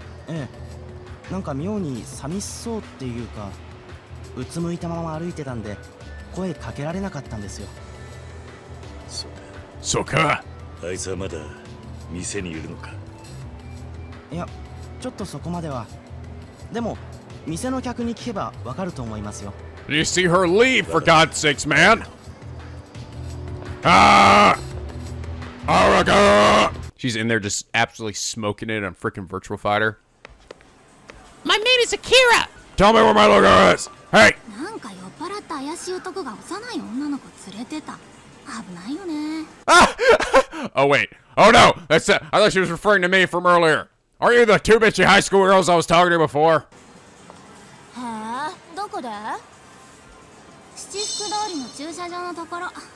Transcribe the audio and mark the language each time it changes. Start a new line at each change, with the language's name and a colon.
Japanese: ええ、なんか妙に寂しそうっていうか、うつむいたまま歩いてたんで声かけられなかったんですよ。そうか。そうか。あいつはまだ店にいるのか。いや、ちょっとそこまでは。でも店の客に聞けばわかると思いますよ。
English: You see her leave, for God's sakes, man! Ah! Haruka! She's in there just absolutely smoking it on freaking Virtual Fighter. My name is Akira! Tell me where my logo is! Hey!
Japanese: 怪しい男が幼い女の子連れてた。危ないよね。
English: Oh wait. Oh no. That's I thought she was referring to me from earlier. Are you the two bitchy high school girls I was talking to before?
Japanese: へえ、どこで？七福通りの駐車場のところ。